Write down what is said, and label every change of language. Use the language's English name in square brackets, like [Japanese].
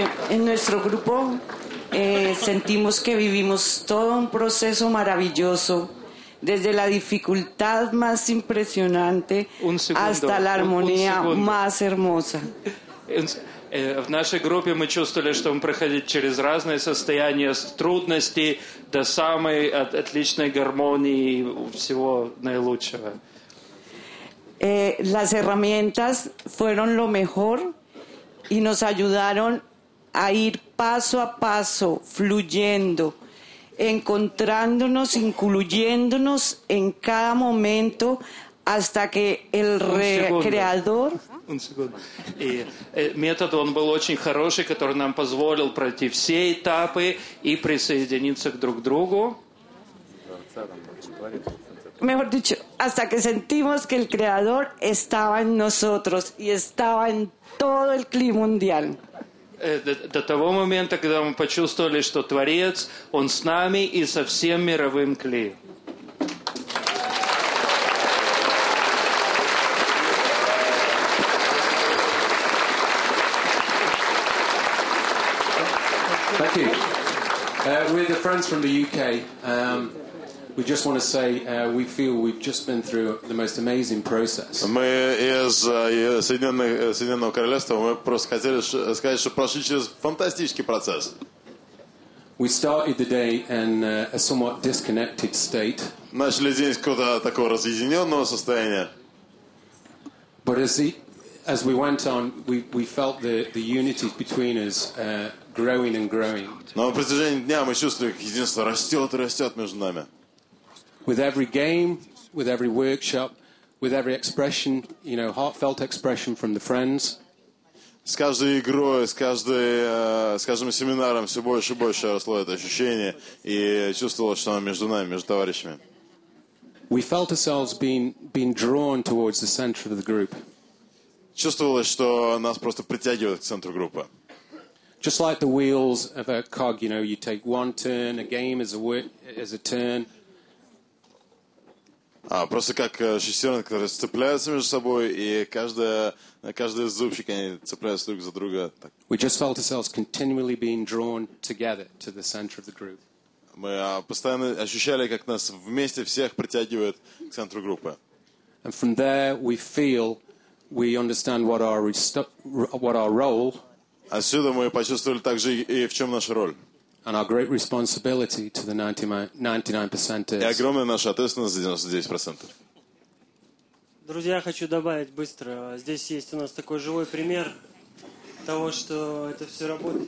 [Spanish] En nuestro grupo sentimos que vivimos todo un proceso maravilloso, desde la dificultad más impresionante hasta la armonía más hermosa. [Russian] В нашей группе мы чувствовали, что мы проходим через разные состояния, с трудностей до самой отличной гармонии и всего наилучшего. [Spanish] Las herramientas fueron lo mejor y nos ayudaron a ir paso a paso, fluyendo, encontrándonos, incluyéndonos en cada momento hasta que el Creador... Un segundo. Y el método, [Russian] он был очень хороший, который нам позволил пройти все этапы и присоединиться друг к другу. [Spanish] Mejor dicho, hasta que sentimos que el Creador estaba en nosotros y estaba en todo el clima mundial. [Russian] До того момента, когда мы почувствовали, что Творец, Он с нами и со всем мировым кли. [English] Thank you. We're the friends from the UK. We just want to say we feel we've just been through the most amazing process. [Russian] Мы из Соединенного Королевства. Мы просто хотели сказать, что прошли через фантастический процесс. [English] We started the day in a somewhat disconnected state. [Russian] Начали день с какого-то такого разъединенного состояния. [English] But as we went on, we felt the unity between us growing and growing. [Russian] Но на протяжении дня мы чувствовали, как единство растет и растет между нами. [English] With every game, with every workshop, with every expression, you know, heartfelt expression from the friends. [Russian] С каждой игрой, с каждой, скажем, семинаром все больше и больше росло это ощущение, и чувствовалось, что оно между нами, между товарищами. [English] We felt ourselves being drawn towards the center of the group. [Russian] Чувствовалось, что нас просто притягивает к центру группы. [English] Just like the wheels of a cog, you know, you take one turn, a game is a turn. [Russian] А просто как шестерёнки, которые сцепляются между собой, и каждый зубчик они цепляются друг за друга. Так. [English] We just felt ourselves continually being drawn together to the center of the group. [Russian] Мы постоянно ощущали, как нас вместе всех притягивает к центру группы. [English] And from there we feel we understand what our role. [Russian] Отсюда мы почувствовали также и в чем наша роль. [English] And our great responsibility to the 99% is. [Russian] И огромная наша ответственность за 99%. Друзья, хочу добавить быстро. Здесь есть у нас такой живой пример того, что это все работает.